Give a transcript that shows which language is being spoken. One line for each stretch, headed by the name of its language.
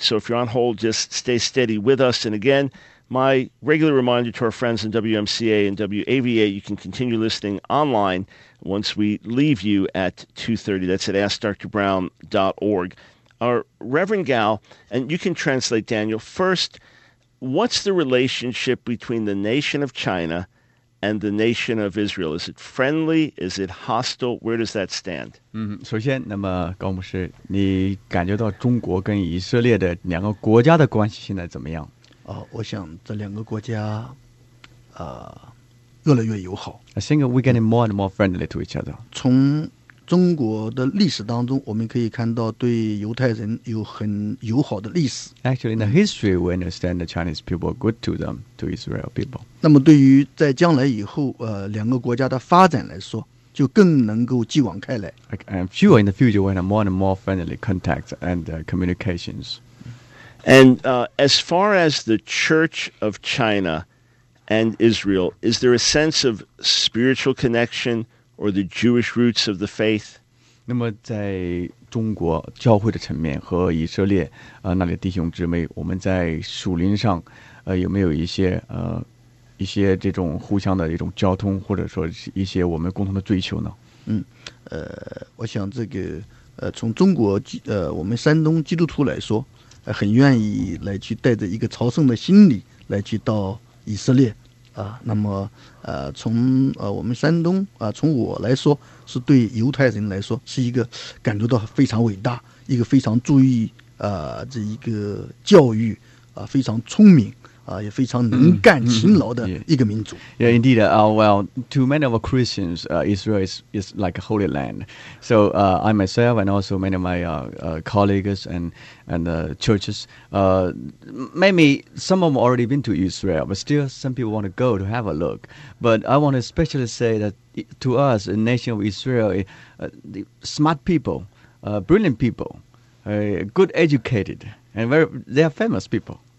English: So if you're on hold, just stay steady with us. And again, my regular reminder to our friends in WMCA and WAVA, you can continue listening online once we leave you at 2:30. That's at AskDrBrown.org. Our Reverend Gao, and you can translate, Daniel, first, what's the relationship between the nation of China and the nation of Israel? Is it friendly? Is it hostile? Where does that stand?
Chinese: 首先，那么高牧师，你感觉到中国跟以色列的两个国家的关系现在怎么样？我想这两个国家越来越友好。
English: I think we're getting more and more friendly to each other.
Chinese: 从中国的历史当中，我们可以看到对犹太人有很友好的历史。
English: Actually, in the history, we understand the Chinese people are good to them, to Israel people.
Chinese: 那么对于在将来以后两个国家的发展来说，就更能够继往开来。
English: I'm sure in the future, we'll have more and more friendly contacts and communications. And as far as the Church of China and Israel, is there a sense of spiritual connection or the Jewish roots of the faith?
Chinese: 那么在中国教会的层面和以色列那里弟兄姊妹，我们在属灵上有没有一些这种互相的一种交通，或者说一些我们共同的追求呢？我想这个从中国我们山东基督徒来说，很愿意来去带着一个朝圣的心理来去到以色列那么从我们山东从我来说，是对犹太人来说是一个感觉到非常伟大，一个非常注意这一个教育非常聪明也非常能干勤劳的一个民族。
English: Yeah, indeed. Well, to many of our Christians, Israel is like a holy land. So I myself and also many of my colleagues and churches, maybe some of them already been to Israel, but still some people want to go to have a look. But I want to especially say that to us, the nation of Israel, the smart people, brilliant people, good educated, and they are famous people.